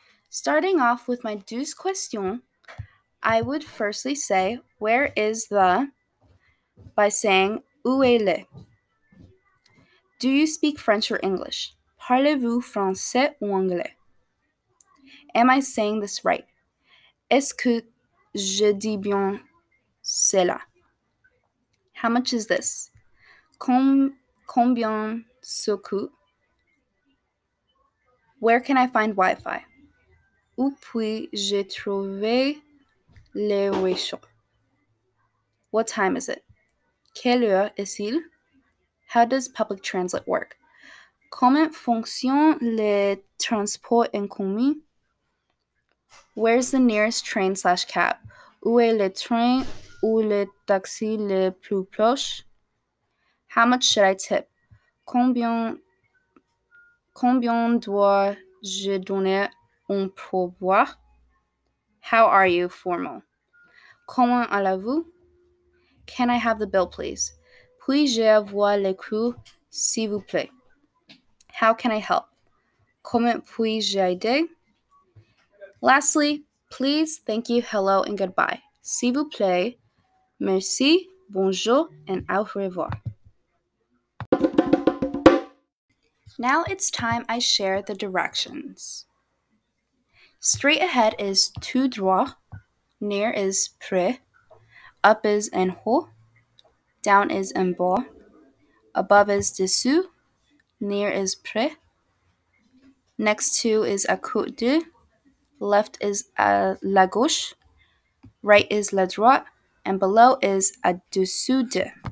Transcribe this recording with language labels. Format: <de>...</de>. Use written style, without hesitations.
<en>Starting off with my douze questions, I would firstly say, where is the, by saying,</en> <fr>où est le?</fr> <en>Do you speak French or English?</en> <fr>Parlez-vous français ou anglais?</fr> <en>Am I saying this right?</en> <fr>Est-ce que je dis bien cela?</fr> <en>How much is this?</en> <fr>Combien ça coûte?</fr> <en>Where can I find Wi-Fi?</en> <fr>Où puis-je trouver le Wi-Fi?</fr> <en>What time is it?</en> <fr>Quelle heure est-il?</fr> <en>How does public transit work?</en> <fr>Comment fonctionne le transport en commun?</fr> <en>Where's the nearest train / cab?</en> <fr>Où est le train ou le taxi le plus proche?</fr> <en>How much should I tip?</en> <fr>Combien dois-je donner un pourboire?</fr> <en>How are you, formal?</en> <fr>Comment allez-vous?</fr> <en>Can I have the bill, please?</en> <fr>Puis-je avoir le coût, s'il vous plaît?</fr> <en>How can I help?</en> <fr>Comment puis-je aider?</fr> <en>Lastly, please, thank you, hello, and goodbye.</en> <fr>S'il vous plaît, merci, bonjour, and au revoir.</fr> <en>Now it's time I share the directions. Straight ahead is</en> <fr>tout droit,</fr> <en>near is près, up is</en> <fr>en haut,</fr> <en>down is</en> <fr>en bas,</fr> <en>above is dessous, near is près, next to is</en> <fr>à côté de,</fr> <en>left is</en> <fr>à la gauche,</fr> <en>right is</en> <fr>la droite,</fr> <en>and below is</en> <fr>à dessous de.</fr>